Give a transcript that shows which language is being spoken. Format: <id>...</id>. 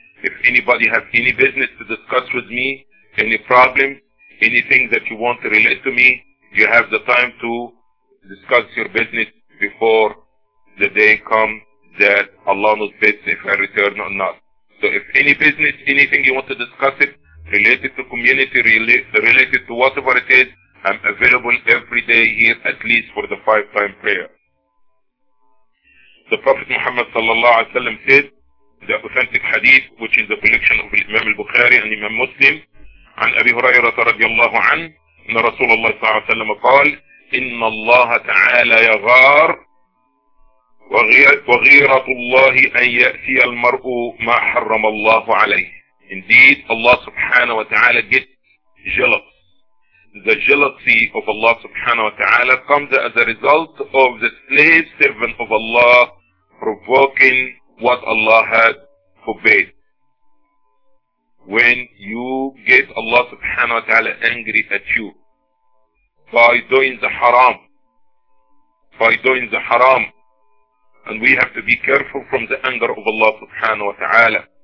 <en>If anybody has any business to discuss with me, any problem, anything that you want to relate to me, you have the time to discuss your business before the day comes that Allah knows best if I return or not. So So if any business, anything you want to discuss it, related to community, related to whatever it is, I'm available every day here at least for the 5-time prayer. The Prophet Muhammad sallallahu alaihi wasallam said, the authentic hadith, which is the collection of Imam al-Bukhari and Imam Muslim,</en> <ar>عن أبي هريرة رضي الله عنه أن رسول الله صلى الله عليه وسلم قال إن الله تعالى يغار وغيرة الله أن يأتي المرء ما حرم الله عليه.</ar> <en>Indeed, Allah subhanahu wa ta'ala gets jealous. The jealousy of Allah subhanahu wa ta'ala comes as a result of the slave servant of Allah provoking what Allah had forbade. When you get Allah subhanahu wa ta'ala angry at you by doing the haram, and we have to be careful from the anger of Allah subhanahu wa ta'ala.</en>